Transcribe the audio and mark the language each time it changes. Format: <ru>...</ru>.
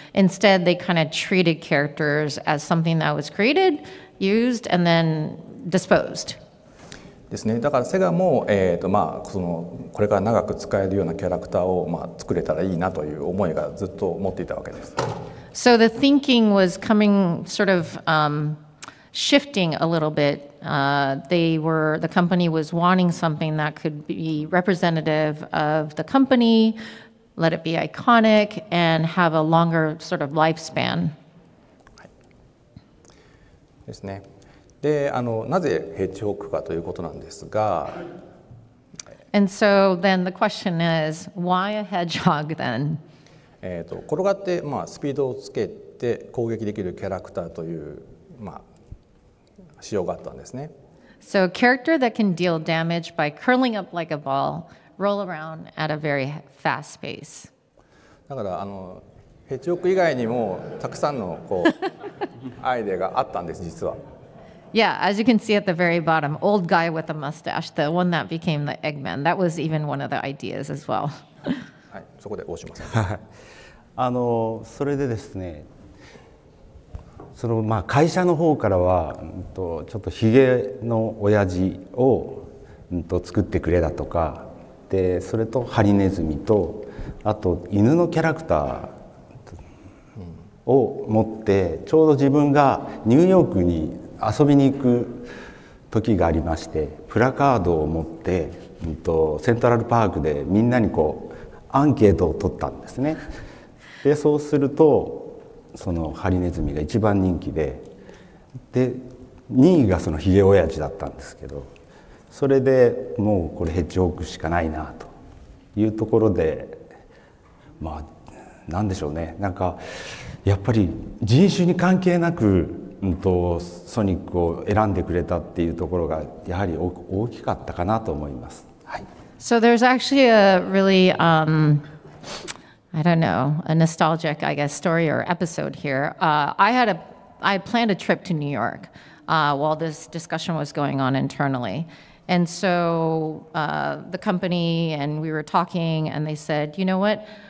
<en>Instead, they kind of treated characters as something that was created, used, and then disposed.</en> <ja>ですね。だからセガも、まあ、そのこれから長く使えるようなキャラクターを、まあ、作れたらいいなという思いがずっと持っていたわけです。</ja> <en>So the thinking was coming sort of, shifting a little bit. The company was wanting something that could be representative of the company, let it be iconic, and have a longer sort of lifespan.</en> <ja>ですね。で、なぜヘッジホッグかということなんですが。</ja> <en>And so then the question is, why a hedgehog then?</en> <ja>転がって、まあ、スピードをつけて攻撃できるキャラクターという、まあ、仕様があったんですね。</ja> <en>So a character that can deal damage by curling up like a ball, roll around at a very fast pace.</en> <ja>だからヘッジホッグ以外にもたくさんのこうアイデアがあったんです実は。</ja> <en>Yeah, as you can see at the very bottom, old guy with a mustache, the one that became the Eggman, that was even one of the ideas as well.</en> <ja>はい、そこで大島さん。あのそれでですね、そのまあ会社の方からは、ちょっとヒゲの親父を、作ってくれだとか、でそれとハリネズミとあと犬のキャラクターを持ってちょうど自分がニューヨークに遊びに行く時がありまして、プラカードを持って、セントラルパークでみんなにこうアンケートを取ったんですね。でそうするとそのハリネズミが一番人気で、で2位がそのヒゲオヤジだったんですけど、それでもうこれヘッジホッグしかないなというところで、まあなんでしょうね、なんかやっぱり人種に関係なく、ソニックを選んでくれたっていうところがやはり大きかったかなと思います。はい。</ja> <en>So there's actually a really, I don't know, a nostalgic, I guess, story or episode here. I planned a trip to New York, while this discussion was going on internally. And so, the company and we were talking and they said, you know what?</en>